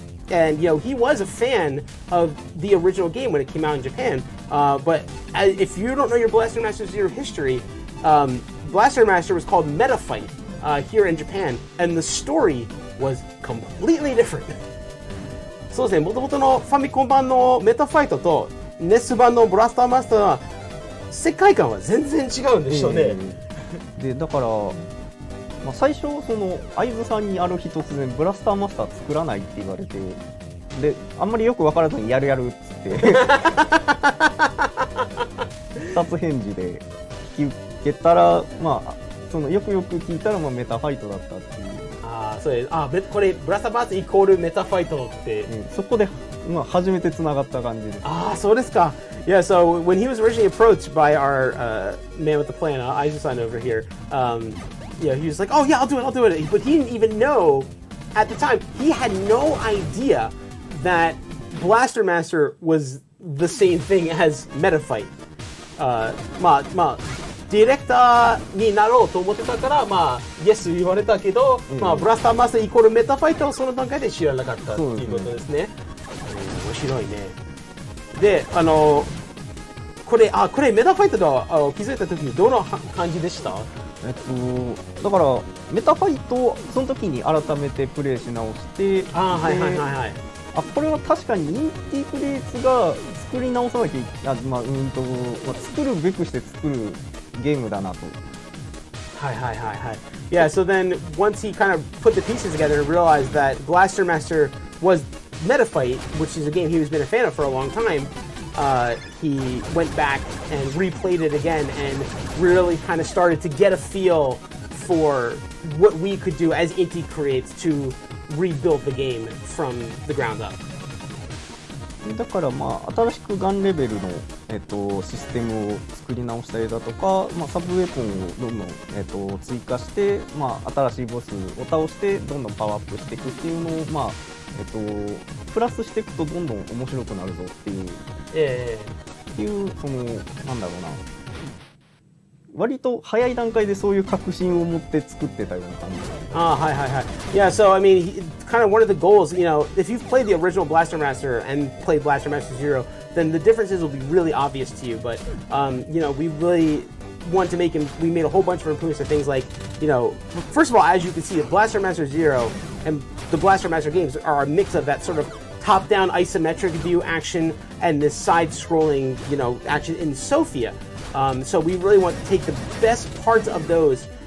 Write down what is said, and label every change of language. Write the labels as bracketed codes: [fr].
[en] And, you know, he was a fan of the original game when it came out in Japan. But if you don't know your Blaster Master Zero history, Blaster Master was called Meta Fight here in Japan, and the story was completely different. [ja] そうですね、もともとのファミコン版のメタファイトとネス版のブラスターマスターは世界観は全然違うんでしょうね。で、だから、まあ、最初その会津さんにある日突然ブラスターマスター作らないって言われて、で、あんまりよく分からずにやるやるっつって二つ返事で引き受けたら、まあ、そのよくよく聞いたら、まあ、メタファイトだったっていう。ああそうです。ああこれブラスターバーツイコールメタファイトって、うん、そこで、まあ、初めてつながった感じです。ああそうですか。 [en] Yeah, so when he was originally approached by our man with the plan, Aizu-san over here, yeah, he was like, oh yeah, I'll do it, but he didn't even know at the time, he had no ideaThat Blaster Master was the same thing as Meta Fight. [ja] まあまあ、ディレクターになろうと思ってたから、まあ、Yes 言われたけど、まあ、Blaster Master イコールメタファイトをその段階で知らなかったっていうことですね。面白いね。で、これメタファイトだ、気づいた時にどの感じでした？だから、メタファイトをその時に改めてプレイし直して、あ、はいはいはいはい。あ、これは確かにインティープレイツが作り直さなきゃいけ、まあ、まあ、作るべくして作るゲームだなと。はいはいはいはい。 [en] Yeah, so then once he kind of put the pieces together and realized that Blaster Master was Meta Fight, which is a game he was been a fan of for a long time, he went back and replayed it again and really kind of started to get a feel for what we could do as Inti Creates toRebuild the game from the ground up. [ja] だからまあ新しくガンレベルの、システムを作り直したりだとか、まあ、サブウェポンをどんどん、追加して、まあ、新しいボスを倒してどんどんパワーアップしていくっていうのを、まあプラスしていくとどんどん面白くなるぞっていう、っていうそのなんだろうな、割と早い段階でそういう確信を持って作ってたような感じ。ああ、はいはいはい。 [en] Yeah, so I mean, kind of one of the goals, you know, if you've played the original Blaster Master and played Blaster Master Zero, then the differences will be really obvious to you. But, you know, we really want to make him, we made a whole bunch of improvements to things like, you know, first of all, as you can see, Blaster Master Zero and the Blaster Master games are a mix of that sort of top-down isometric view action and this side-scrolling, you know, action in Sophia. So we really want to take the best parts of those